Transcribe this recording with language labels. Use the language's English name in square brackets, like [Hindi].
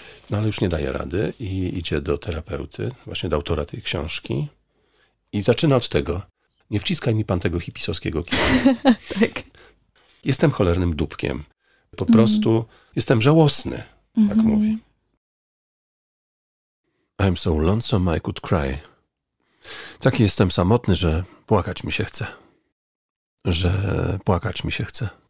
[Polish] No ale już nie daje rady i idzie do terapeuty, właśnie do autora tej książki. I zaczyna od tego. Nie wciskaj mi pan tego hipisowskiego kina. Tak. Jestem cholernym dupkiem. Po prostu jestem żałosny, tak mówi. [English] I'm so lonesome I could cry. [Polish] Taki jestem samotny, że płakać mi się chce. Że płakać mi się chce.